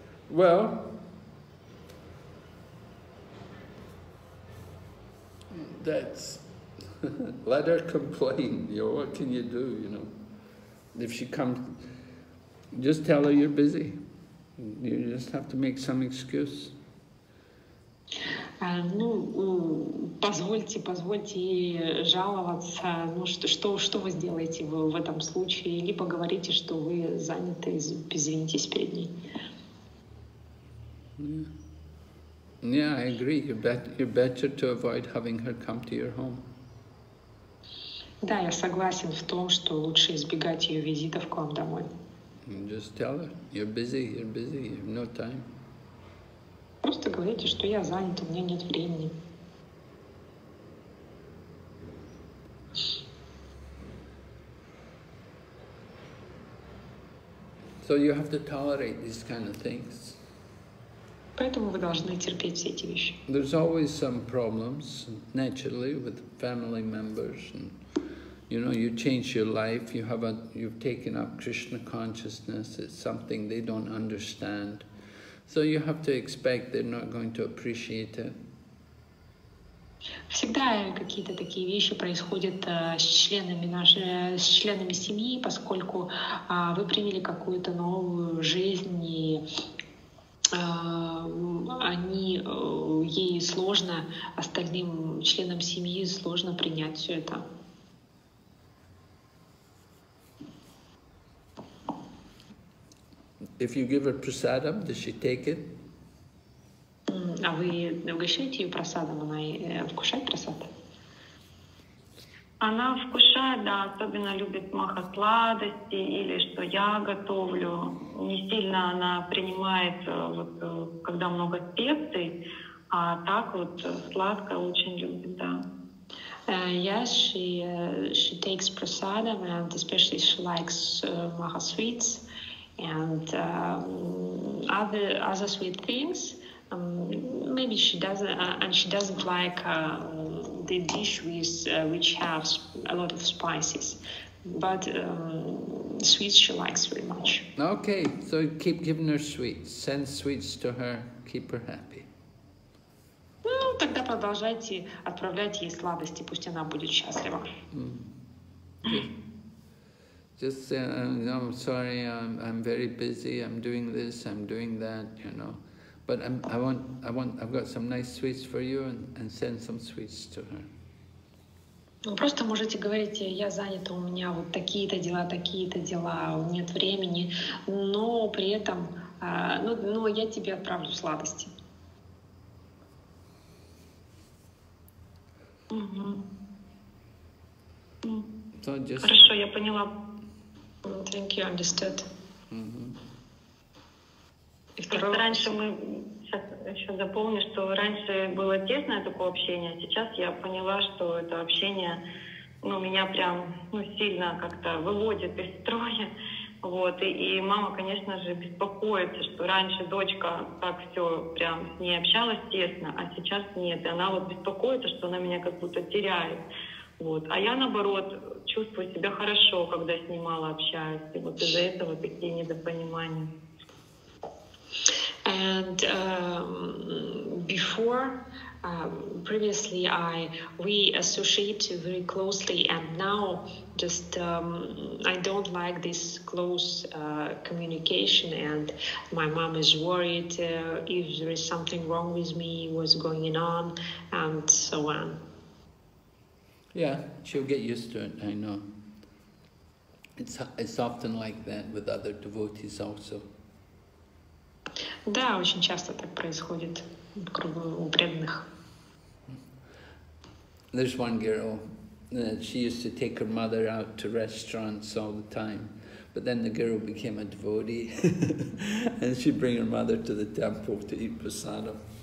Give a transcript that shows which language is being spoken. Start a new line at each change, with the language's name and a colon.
English: Well, that's let her complain. You know, what can you do? You know, if she comes, just tell her you're busy. You just have to make some excuse.
Russian: Ну, позвольте ей жаловаться. Ну, что вы сделаете в этом случае? Либо говорите, что вы заняты, извинитесь перед ней.
English: Yeah, I agree. You're better to avoid having her come to your home.
Russian: Да, я согласен в том, что лучше избегать ее визитов к вам домой.
English: Just tell her, you're busy, you have no time.
Russian: Просто говорите, что я занят, у меня нет времени.
English: So you have to tolerate these kind of things.
Russian: Поэтому вы должны терпеть все эти вещи.
English: There's always some problems, naturally, with family members. And you know, you change your life, you've taken up Krishna consciousness, it's something they don't understand. So you have to expect they're not going to appreciate it.
Russian: Всегда какие-то такие вещи происходят с членами семьи, поскольку вы приняли какую-то новую жизнь, и ей сложно, остальным членам семьи сложно принять все это.
English: If you give her prasadam, does she take it?
Russian: А вы угощаете ее прасадом? Она вкушает прасад? Она вкушает, да, особенно любит махасладости или что я готовлю. Не сильно она принимает, вот, когда много специй, а так вот сладко очень любит, да.
English: Yes, she takes prasadam, and especially she likes maha sweets. And other sweet things, maybe she doesn't, and she doesn't like the dish with which has a lot of spices, but sweets she likes very much. Okay, so keep giving her sweets, send sweets to her, keep her happy.
Russian: Ну, тогда, продолжайте отправлять ей сладости, пусть она будет счастлива.
English: Just say, I'm sorry, I'm very busy, I'm doing this, I'm doing that, you know. But I've got some nice sweets for you, and send some sweets to her.
Russian: Вы просто можете говорить, я занята, у меня вот такие-то дела, нет времени, но при этом, но я тебе отправлю сладости.
English: So just...
Russian: Хорошо, я поняла.
English: Thank you, understood.
Russian: Просто раньше мы, сейчас еще дополню, что раньше было тесное такое общение, сейчас я поняла, что это общение, ну, меня прям, ну, сильно как-то выводит из строя, вот, и мама, конечно же, беспокоится, что раньше дочка так все прям с ней общалась тесно, а сейчас нет, и она вот беспокоится, что она меня как будто теряет, вот, а я, наоборот, чувствую себя хорошо, когда с ней мало общаюсь, и вот из-за этого такие недопонимания.
English: And before, previously, we associate very closely, and now just I don't like this close communication, and my mom is worried if there is something wrong with me, what's going on, and so on. Yeah, she'll get used to it, I know. It's often like that with other devotees also.
Russian: Да, очень часто так происходит у преданных.
English: There's one girl, she used to take her mother out to restaurants all the time, but then the girl became a devotee, and she'd bring her mother to the temple to eat prasadam.